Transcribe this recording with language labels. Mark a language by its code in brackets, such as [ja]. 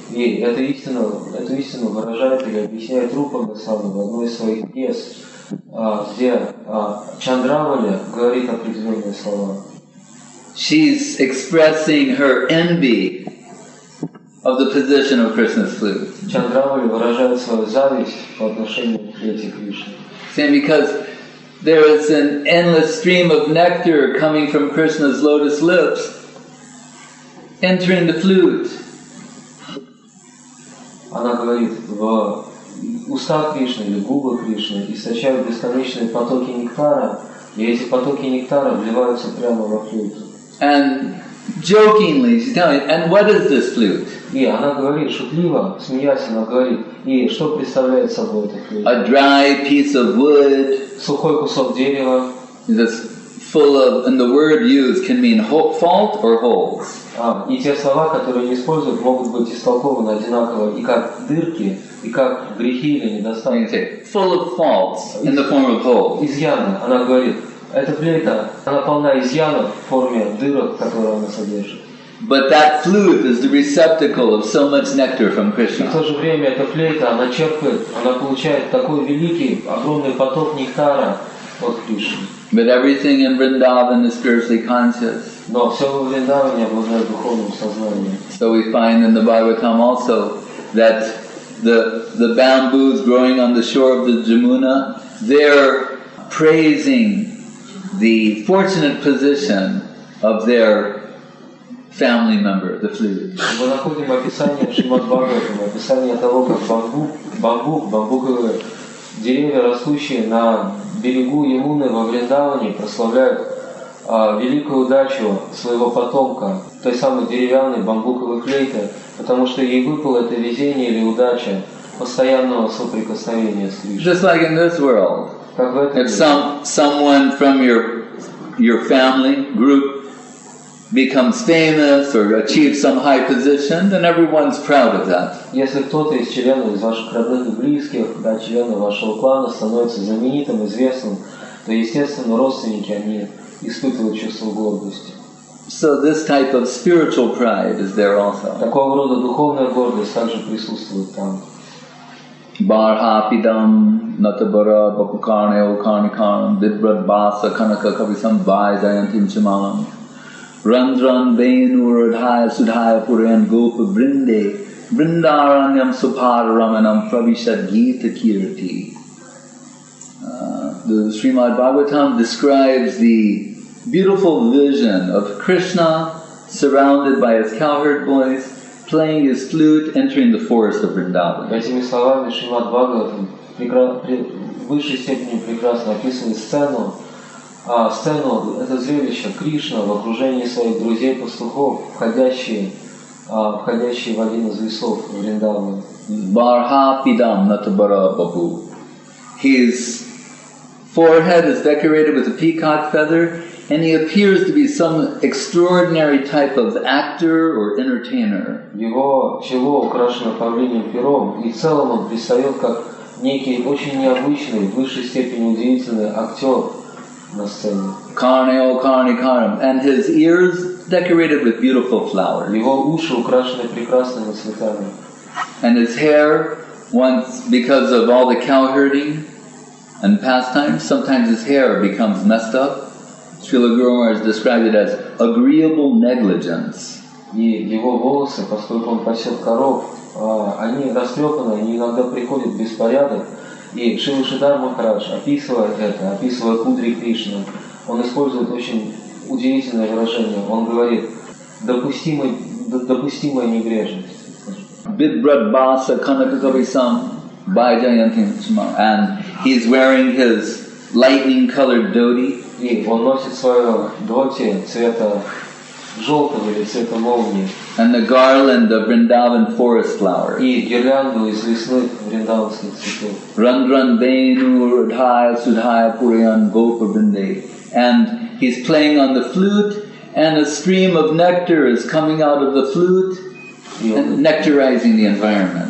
[ru] И эту истину выражает или объясняет Рупа Госвами в одной из своих пьес, где Чандравали говорит определенные слова. [en] She's expressing her envy of the position of Krishna's flute. [ru] Чандравали выражает свою зависть по отношению к флейте Кришны. [en] Same because there is an endless stream of nectar coming from Krishna's lotus lips, entering the flute. [ru] Она говорит, в устах Кришны или губах Кришны источают бесконечные потоки нектара, и эти потоки нектара вливаются прямо во флюту. [en] And jokingly, she's telling, and what is this flute? [ru] И она говорит шутливо, смеясь, она говорит, и что представляет собой эта флюта? [en] A dry piece of wood. [ru] Сухой кусок дерева. [en] That's full of, and the word used can mean fault or holes. [ru] И те слова, которые они используют, могут быть истолкованы одинаково и как дырки, и как грехи или недостатки. [en] Say, full of faults in the form of holes. [ru] Изъяны, она говорит. Эта флейта, она полна изъянов в форме дырок, которые она содержит. [en] But that flute is the receptacle of so much nectar from Krishna. [ru] И в то же время эта флейта, она черпает, она получает такой великий, огромный поток нектара от Кришны. [en] But everything in Vrindavan is spiritually conscious. [ru] Но все во Вриндаване обладает духовным сознанием. [en] So we find in the Bhagavatam also that the bamboos growing on the shore of the Jamuna, they're praising the fortunate position of their family member, the flute. [ru] Мы находим описание Шримад-Бхагаватам, описание того, как бамбуковые деревья, растущие на берегу Ямуны во Вриндаване, прославляют великую удачу своего потомка, той самой деревянной бамбуковой флейты, потому что ей выпало это везение или удача постоянного соприкосновения с Кришной. [en] Just like in this world. If someone from your family group becomes famous or achieves some high position, then everyone's proud of that. [ru] Если кто-то из членов из ваших родных и близких, да, члены вашего клана становятся знаменитым, известным, то естественно родственники они испытывают чувство гордости. [en] So this type of spiritual pride is there also. [ru] Такого рода духовная гордость также присутствует там. [sa] Barhapidam natabara bapukarne okarnikarn vidbrad basa kanaka kavisam vai dayantim chamalam randran venuradhaya sudhaya puran gopa brinde brindaranyam supararamanam pravishad gita kirti. [en] The Srimad Bhagavatam describes the beautiful vision of Krishna surrounded by his cowherd boys playing his flute, entering the forest of Vrindavan. [ru] Этими словами Шримад Бхагаватам в высшей степени прекрасно описывает сцену, это зрелище Кришна в окружении своих друзей-пастухов, входящие в один из лесов Вриндавана. [sa] Барха пидам натабара бабу. [en] His forehead is decorated with a peacock feather, and he appears to be some extraordinary type of actor or entertainer. [ru] Его чело украшено павлиньим пером, и в целом он предстает как некий очень необычный, в высшей степени удивительный актер на сцене. [sa] Карне о карне карам. [en] And his ears decorated with beautiful flowers. [ru] Его уши украшены прекрасными цветами. [en] And his hair, once because of all the cowherding and pastimes, sometimes his hair becomes messed up. Srila Guru Maharaj described it as agreeable negligence. [ru] И его волосы, поскольку он пасет коров, они растрепаны, они иногда приходят в беспорядок. И Шрила Шридхар Махарадж описывает это, описывая кудри Кришны, он использует очень удивительное выражение. Он говорит, допустимая небрежность. [sa] Bidbrad Basa Kanaka Kavisam Bhajayantin Chuma. [en] And he's wearing his lightning colored dhoti. [ru] И он носит свое дхоти цвета желтого или цвета молнии. [en] And the garland of Vrindavan forest flowers. [ru] И гирлянду из лесных вриндаванских цветов. [sa] Рандран бейну радхая судхая пуриан гопа бринде. [en] And he's playing on the flute, and a stream of nectar is coming out of the flute, and nectarizing the environment.